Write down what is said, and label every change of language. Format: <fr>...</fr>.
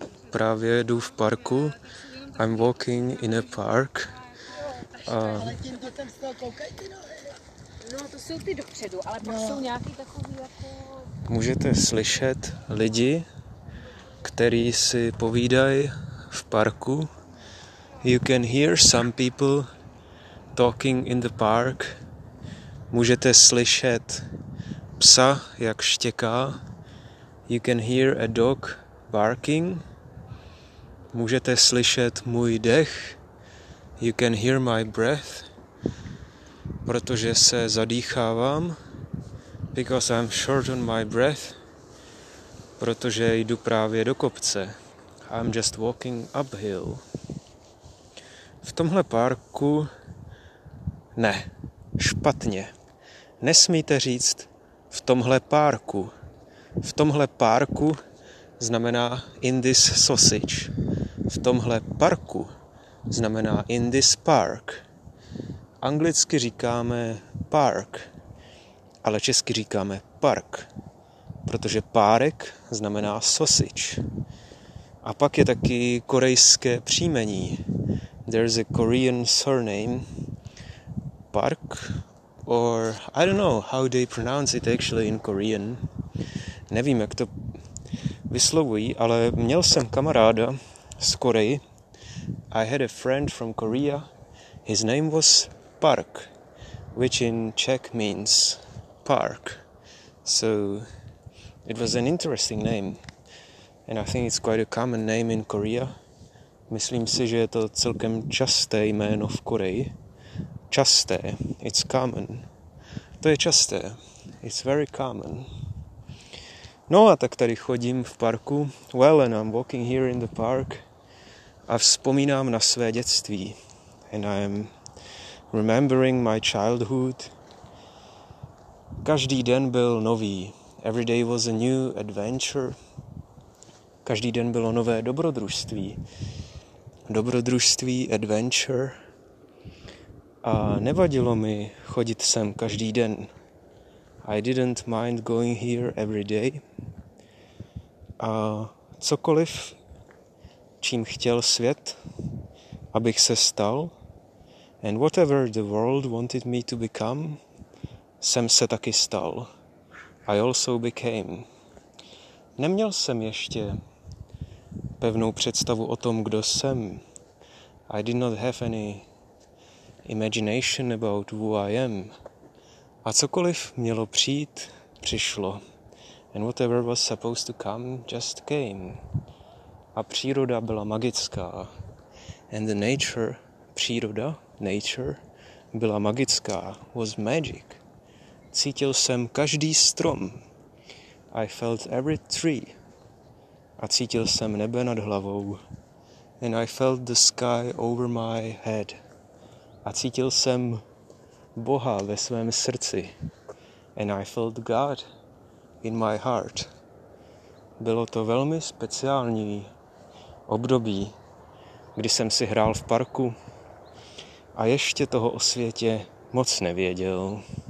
<cs>Právě jdu v parku.</cs> <en>I'm walking in a park.</en> <cs>No, to jsou ty dopředu, ale pak jsou nějaký takový jako... Můžete slyšet lidi, který si povídají v parku.</cs> <en>You can hear some people talking in the park.</en> <cs>Můžete slyšet psa, jak štěká.</cs> <en>You can hear a dog barking.</en> <cs>Můžete slyšet můj dech.</cs> <en>You can hear my breath.</en> <cs>Protože se zadýchávám.</cs> <en>Because I'm short on my breath.</en> <cs>Protože jdu právě do kopce.</cs> <en>I'm just walking uphill.</en> <cs>V tomhle parku... Ne, špatně. Nesmíte říct v tomhle parku. V tomhle parku znamená</cs> <en>in this sausage.</en> <cs>V tomhle parku znamená</cs> <en>in this park.</en> <cs>Anglicky říkáme park, ale česky říkáme park, protože párek znamená sausage. A pak je taky korejské příjmení.</cs> <en>There's a Korean surname. Park, or I don't know how they pronounce it actually in Korean.</en> <cs>Nevím, jak to vyslovují, ale měl jsem kamaráda z Koreji.</cs> <en>I had a friend from Korea. His name was Park, which in Czech means park. So it was an interesting name. And I think it's quite a common name in Korea.</en> <cs>Myslím si, že je to celkem časté jméno v Koreji. Časté,</cs> <en>it's common.</en> <cs>To je časté,</cs> <en>it's very common.</en> <cs>No a tak tady chodím v parku.</cs> <en>Well, and I'm walking here in the park.</en> <cs>A vzpomínám na své dětství.</cs> <en>And I'm remembering my childhood.</en> <cs>Každý den byl nový.</cs> <en>Every day was a new adventure.</en> <cs>Každý den bylo nové dobrodružství. Dobrodružství, adventure. A nevadilo mi chodit sem každý den.</cs> <en>I didn't mind going here every day.</en> <cs>A cokoliv, čím chtěl svět, abych se stal,</cs> <en>and whatever the world wanted me to become,</en> <cs>jsem se taky stal.</cs> <en>I also became.</en> <cs>Neměl jsem ještě pevnou představu o tom, kdo jsem.</cs> <en>I did not have any imagination about who I am.</en> <cs>A cokoliv mělo přijít, přišlo.</cs> <en>And whatever was supposed to come, just came.</en> <cs>A příroda byla magická.</cs> <en>And the nature, příroda, nature,</en> <cs>byla magická.</cs> <en>Was magic.</en> <cs>Cítil jsem každý strom.</cs> <en>I felt every tree.</en> <cs>A cítil jsem nebe nad hlavou.</cs> <en>And I felt the sky over my head.</en> <cs>A cítil jsem Boha ve svém srdci.</cs> <en>And I felt God in my heart.</en> <cs>Bylo to velmi speciální období, kdy jsem si hrál v parku a ještě toho o světě moc nevěděl.</cs>